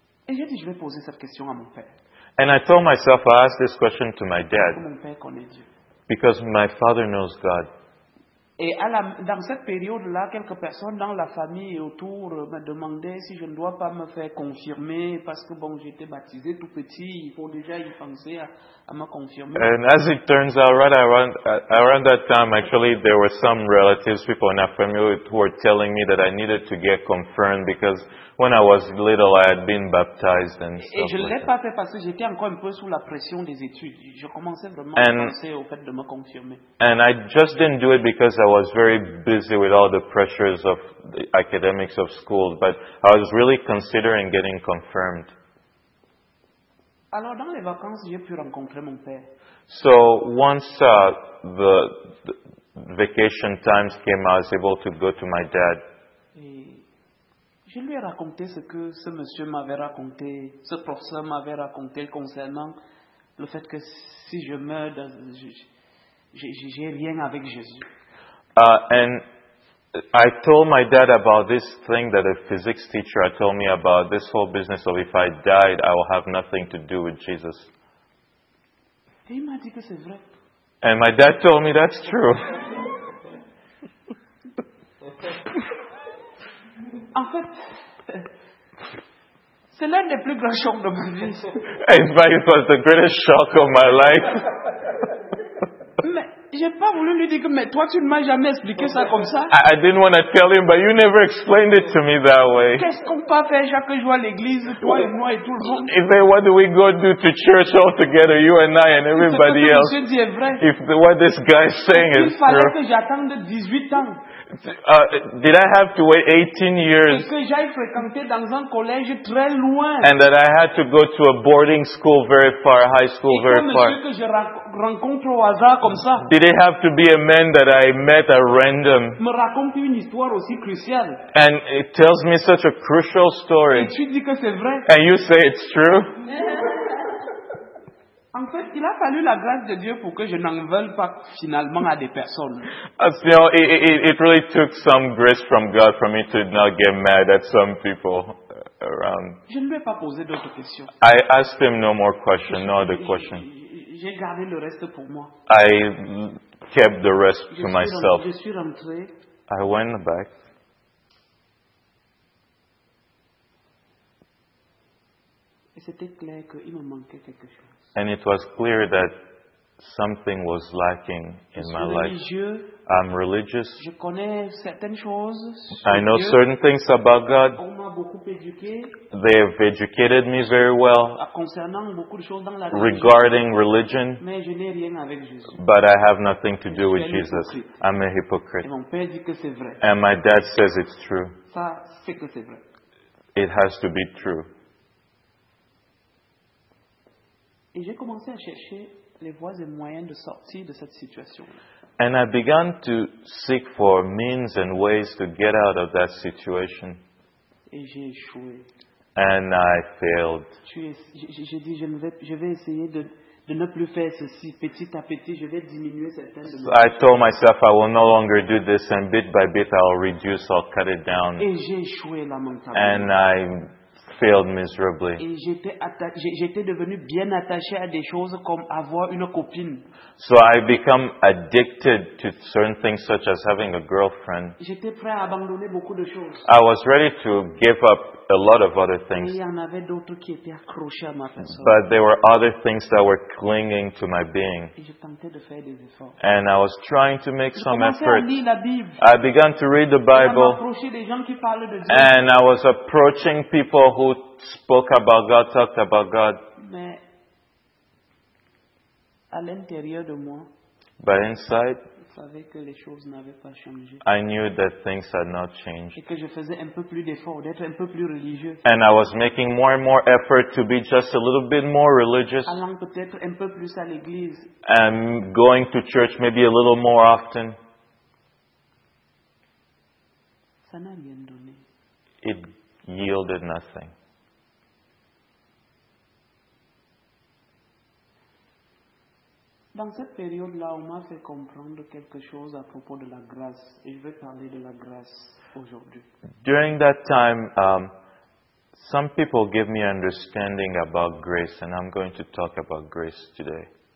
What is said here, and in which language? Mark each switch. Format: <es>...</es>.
<fr>Et j'ai dit, je vais poser cette question à mon père.</fr> <en>And I told myself, I asked this question to my dad.</en> <fr>Mon père connaît Dieu.</fr> <en>Because my father knows God.</en> <fr>Et à la, dans cette période-là, quelques personnes dans la famille et autour me demandaient si je ne dois pas me faire confirmer parce que bon, j'étais baptisé tout petit, il faut déjà y penser à me confirmer.</fr> <en>And as it turns out, right around that time, actually, there were some relatives, people in our family, who were telling me that I needed to get confirmed because when I was little, I had been baptized and stuff.</en> <fr>Et je ne l'ai pas fait parce que j'étais encore un peu sous la pression des études. Je commençais vraiment à penser au fait de me confirmer.</fr> <en>And I just didn't do it because I was very busy with all the pressures of the academics of school, but I was really considering getting confirmed.</en> <fr>Alors, dans les vacances, j'ai pu rencontrer mon père.</fr> <en>So once the vacation times came, I was able to go to my dad.</en> <fr>Je lui ai raconté ce que ce monsieur m'avait raconté, ce professeur m'avait raconté concernant le fait que si je meurs, j'ai rien avec Jésus.</fr> <en>And I told my dad about this thing that a physics teacher had told me about, this whole business of if I died, I will have nothing to do with Jesus.</en> <fr>Et il m'a dit que c'est vrai.</fr> <en>And my dad told me that's true.</en> <fr>En fait, c'est l'un des plus grands chocs de ma vie.</fr> <en>In fact, it was the greatest shock of my life.</en> <fr>J'ai pas voulu lui dire que mais toi tu ne m'as jamais expliqué ça comme ça.</fr> <en>I didn't want to tell him, but you never explained it to me that way.</en> <fr>Qu'est-ce qu'on peut faire chaque jour à l'église, toi et moi et tout le monde?</fr> <en>If then what do we go do to church all together, you and I and everybody else?</en> <fr>Ce que dit est vrai.</fr> <en>If what this guy is saying is true.</en> <fr>Il fallait que j'attende 18 ans.</fr> <en>Did I have to wait 18 years?</en> <fr>Et que j'aille fréquenter dans un collège très loin.</fr> <en>And that I had to go to a boarding school very far, high school very far.</en> <fr>Que je rencontre au hasard comme ça.</fr> <en>Did it have to be a man that I met at random?</en> <fr>Me raconte une histoire aussi cruciale.</fr> <en>And it tells me such a crucial story.</en> <fr>Et tu dis que c'est vrai.</fr> <en>And you say it's true?</en> <fr>En fait, il a fallu la grâce de Dieu pour que je n'en veuille pas finalement à des personnes.</fr> <en>It really took some grace from God for me to not get mad at some people around.</en> <fr>Je ne lui ai pas posé d'autres questions.</fr> <en>I asked him no more questions, no other questions.</en> <fr>J'ai gardé le reste pour moi.</fr> <en>I kept the rest to myself.</en> <fr>Je suis rentré.</fr> <en>I went back.</en> <fr>Et c'était clair qu'il me manquait quelque chose.</fr> <en>And it was clear that something was lacking in my life. I'm religious.</en> <fr>Je connais certaines choses sur</fr> <en>I know</en> <fr>Dieu.</fr> <en>Certain things about God.</en> <fr>On m'a beaucoup éduqué.</fr> <en>They have educated me very well</en> <fr>concernant beaucoup de choses dans la religion.</fr> <en>Regarding religion.</en> <fr>Mais je n'ai rien avec Jésus.</fr> <en>But I have nothing to do with Jesus.</en> <fr>Hypocrite.</fr> <en>I'm a hypocrite.</en> <fr>Et mon père dit que c'est vrai.</fr> <en>And my dad says it's true.</en> <fr>Ça, c'est que c'est vrai.</fr> <en>It has to be true.</en> <fr>Et j'ai commencé à chercher les voies et moyens de sortir de cette situation.</fr> <en>And I began to seek for means and ways to get out of that situation.</en> <fr>Et j'ai échoué.</fr> <en>And I failed.</en> <fr>J'ai dit, je vais essayer de ne plus faire ceci. Petit à petit, je vais diminuer certaines de mes.</fr> <en>I told myself I will no longer do this, and bit by bit, I'll reduce, I'll cut it down.</en> <fr>Et j'ai échoué lamentablement.</fr> <en>And I failed miserably.</en> <fr>Et j'étais devenu bien attaché à des choses comme avoir une copine.</fr> <en>So I become addicted to certain things such as having a girlfriend.</en> <fr>J'étais prêt à abandonner beaucoup de choses.</fr> <en>I was ready to give up a lot of other things.</en> <fr>Et il y en avait d'autres qui étaient accrochés à ma personne.</fr> <en>But there were other things that were clinging to my being.</en> <fr>Et je tentais de faire des efforts.</fr> <en>And I was trying to make</en> <fr>je</fr> <en>some effort.</en> <fr>À lire la Bible.</fr> <en>I began to read the Bible.</en> <fr>Et à m'approcher des gens qui parlent de Dieu.</fr> <en>And I was approaching people who spoke about God, talked about God.</en> <fr>Mais à l'intérieur de moi,</fr> <en>but inside,</en> <fr>je savais que les choses n'avaient pas changé.</fr> <en>I knew that things had not changed.</en> <fr>Et que je faisais un peu plus d'efforts, d'être un peu plus religieux.</fr> <en>And I was making more and more effort to be just a little bit more religious.</en> <fr>Allant peut-être un peu plus à l'église.</fr> <en>And going to church maybe a little more often.</en> <fr>Ça n'a rien donné.</fr> <en>It yielded nothing.</en> <fr>Dans cette période-là, on m'a fait comprendre quelque chose à propos de la grâce. Et je vais parler de la grâce aujourd'hui.</fr> <en>During that time, some people gave me understanding about grace, and I'm going to talk about grace today.</en>